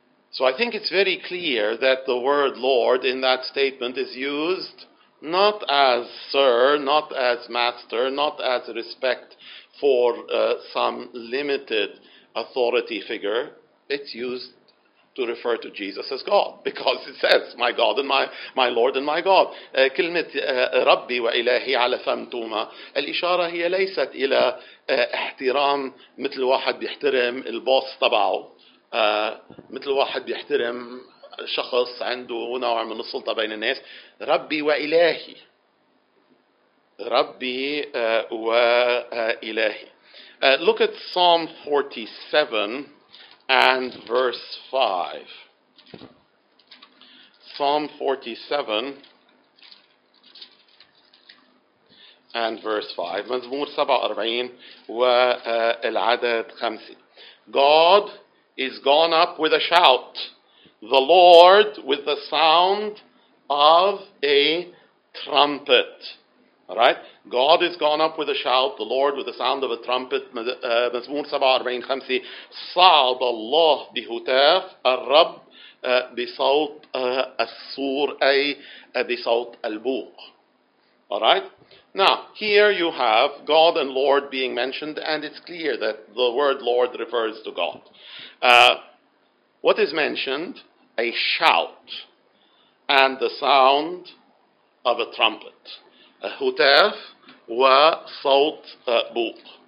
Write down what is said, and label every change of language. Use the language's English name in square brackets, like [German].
[English] So I think it's very clear that the word Lord in that statement is used not as sir, not as master, not as respect for some limited authority figure. It's used to refer to Jesus as God, because it says, my God and my Lord and my God. [Arabic] كلمة ربي وإلهي على فم توما, الإشارة هي ليست إلى احترام مثل واحد بيحترم البوس تبعه, مثل واحد بيحترم شخص عنده نوع من السلطة بين الناس. ربي وإلهي, ربي وإلهي. [English] Look at Psalm 47 and verse 5. Psalm 47 and verse 5. [Arabic] مزمور 47 والعدد 5. [English] God is gone up with a shout, the Lord with the sound of a trumpet. All right? God is gone up with a shout, the Lord with the sound of a trumpet. [Arabic] مزمور 47:5. صعد الله بهتاف, الرب بصوت الصور, أي بصوت البوق. [English] All right? Now, here you have God and Lord being mentioned, and it's clear that the word Lord refers to God. What is mentioned? A shout and the sound of a trumpet. [Arabic] هتاف وصوت بوق.